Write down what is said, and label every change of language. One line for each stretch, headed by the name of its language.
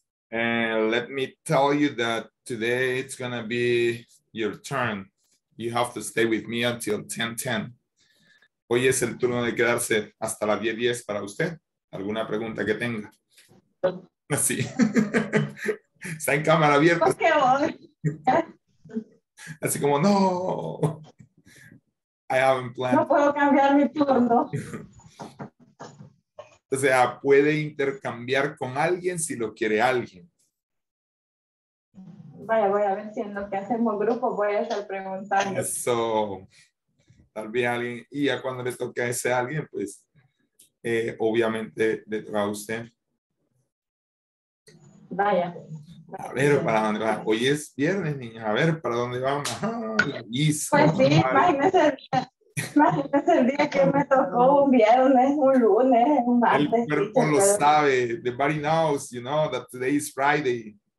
English: And let me tell you that today it's gonna be your turn. You have to stay with me until 10:10.
Spanish: Hoy es el turno de quedarse hasta las 10:10 para usted. ¿Alguna pregunta que tenga? Así. Está en cámara abierta. ¿Qué voy? Así como, no.
English: I haven't planned.
Spanish: No puedo cambiar mi turno. O sea, puede intercambiar con alguien si lo quiere alguien. Vaya, voy a ver si en lo que hacemos grupo voy a estar preguntando. Eso. Tal vez alguien. Y ya cuando le toque a ese alguien, pues, obviamente, le toca a usted. Vaya. A ver, ¿para dónde va? Hoy es viernes, niña. A ver, ¿para dónde vamos? Ah, pues sí, imagínese el día. Imagínese el día que me tocó un viernes, un lunes, un martes. El cuerpo lo sabe.
English: The body knows, you know, that today is Friday.